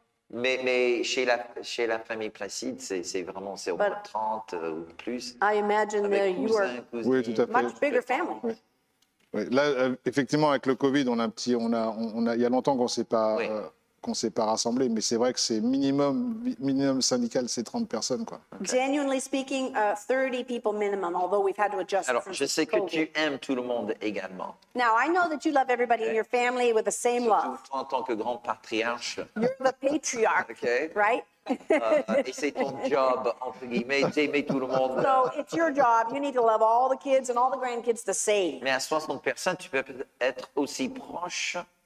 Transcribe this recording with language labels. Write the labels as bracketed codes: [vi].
[fr] Mais chez la famille Placide, c'est vraiment c'est au moins 30 ou plus. [en] I imagine [fr] avec cousins, [en] you are [fr] cousins, oui, tout à fait. [en] Much bigger family. [fr] Oui. Oui. Là, effectivement, avec le Covid, il y a longtemps qu'on s'est pas rassemblés, mais c'est vrai que c'est minimum syndical, c'est 30 personnes quoi. [en] Okay. Genuinely speaking, 30 people minimum, although we've had to adjust. [fr] Alors, je sais que tu aimes tout le monde également. [en] Now I know that you love everybody in your family with the same [fr] surtout [en] love. [fr] En tant que grand patriarche. [en] You're the patriarch, okay. Right? [fr] et c'est ton job, entre guillemets, d'aimer tout le monde. [en] So it's your job. You need to love all the kids and all the grandkids the same. [fr] Mais à 60 personnes, tu peux être aussi proche.